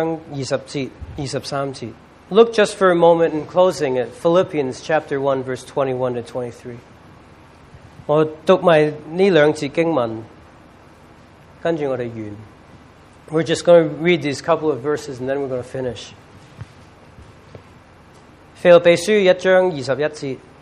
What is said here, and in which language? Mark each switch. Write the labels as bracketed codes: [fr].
[yue] 同我睇腓立比书第一章二十节、二十三节。 [en] Look just for a moment in closing at Philippians chapter 1, verse 21 to 23. [yue] 我读埋呢两节经文，跟住我哋完。 [en] We're just going to read these couple of verses and then we're going to finish. [yue] 腓立比书一章二十一节。